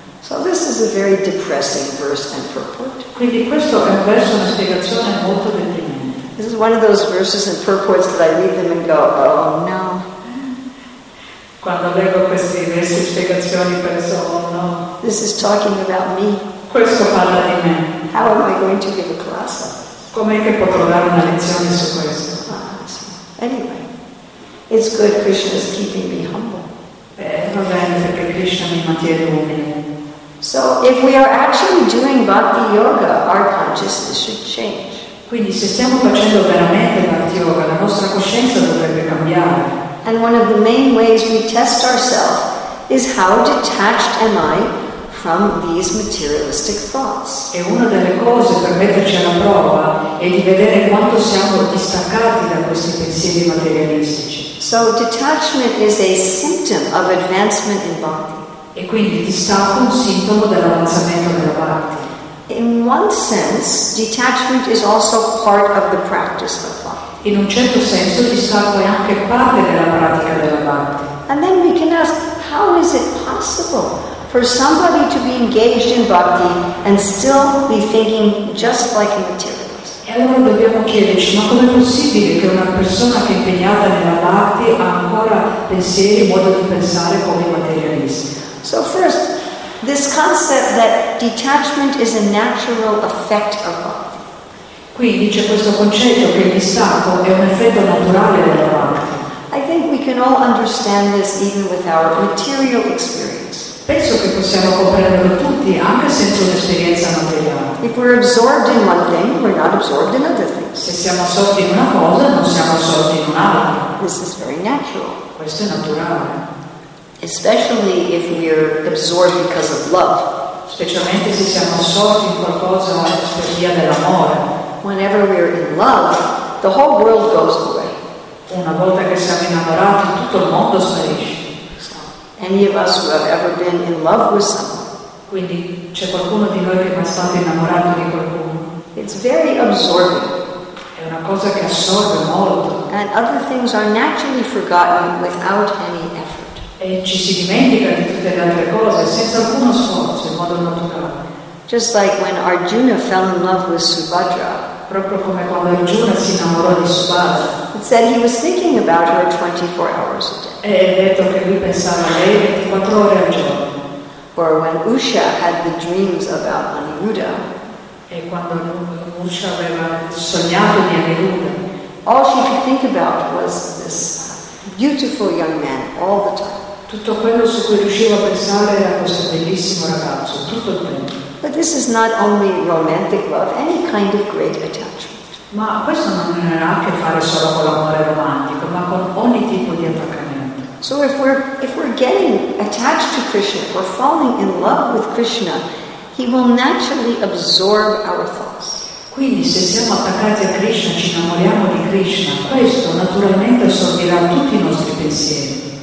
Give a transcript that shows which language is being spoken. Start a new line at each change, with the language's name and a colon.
English: So this is a very depressing verse and purport.
Italian: Quindi questo è un verso, una spiegazione molto deprimente.
English: This is one of those verses and purports that I read them and go, oh no.
Italian: Quando leggo queste messe spiegazioni penso, oh no.
English: This is talking about me.
Italian: Questo parla di me.
English: How am I going to give a class?
Italian: Com'è che potrò dare una lezione su questo?
English: Anyway, it's good Krishna is keeping me humble.
Italian: Va bene perché Krishna mi mantiene umile.
English: So, if we are actually doing Bhakti Yoga, our consciousness should change.
Italian: Quindi se stiamo facendo veramente Bhakti Yoga, la nostra coscienza dovrebbe cambiare.
English: And one of the main ways we test ourselves is how detached am I from these materialistic thoughts.
Italian: E una delle cose per metterci alla prova è di vedere quanto siamo distaccati da questi pensieri materialistici.
English: So detachment is a symptom of advancement in bhakti.
Italian: E quindi distacco un sintomo dell'avanzamento della bhakti.
English: In one sense, detachment is also part of the practice of bhakti.
Italian: In un certo senso distacco è anche parte della pratica della bhakti.
English: And then we can ask, how is it possible for somebody to be engaged in bhakti and still be thinking just like a materialist?
Italian: E allora dobbiamo chiederci, ma com'è possibile che una persona che è impegnata nella bhakti ha ancora pensieri e modo di pensare come materialisti?
English: So first, this concept that detachment is a natural effect of bhakti.
Italian: Quindi c'è questo concetto che il distacco è un effetto naturale della bhakti.
English: I think we can all understand this even with our material experience.
Italian: Penso che possiamo comprenderlo tutti anche senza un'esperienza materiale.
English: If we're absorbed in one thing, we're not absorbed in other things.
Italian: Se siamo assorti in una cosa, non siamo assorti in un'altra.
English: This is very natural.
Italian: Questo è naturale.
English: Especially if we're absorbed because of love.
Italian: Specialmente se siamo assorti in qualcosa per via dell'amore.
English: Whenever we are in love, the whole world goes away.
Italian: Una volta che siamo innamorati, tutto il mondo sparisce.
English: So, any of us who have ever been in love with someone,
Italian: Quindi c'è qualcuno di noi che è stato innamorato di qualcuno.
English: It's very absorbing.
Italian: È una cosa che assorbe molto.
English: And other things are naturally forgotten without any effort.
Italian: E ci si dimentica di tutte le altre cose senza alcuno sforzo, in modo naturale.
English: Just like when Arjuna fell in love with Subhadra.
Italian: Proprio come quando Arjuna si innamorò di Subhadra.
English: It said he was thinking about her 24 hours a day.
Italian: E detto che lui pensava a lei 24 ore al giorno.
English: Or when Usha had the dreams about Aniruddha.
Italian: E quando Usha aveva sognato di Aniruddha.
English: All she could think about was this beautiful young man all the time.
Italian: Tutto quello su cui riusciva a pensare era questo bellissimo ragazzo, tutto il tempo.
English: But this is not only romantic love, any kind of great attachment.
Italian: Ma questo non ha a che fare solo con l'amore romantico, ma con ogni tipo di attaccamento.
English: So if we're getting attached to Krishna, if we're falling in love with Krishna, he will naturally absorb our thoughts.
Italian: Quindi se siamo attaccati a Krishna, ci innamoriamo di Krishna, questo naturalmente assorbirà tutti i nostri pensieri.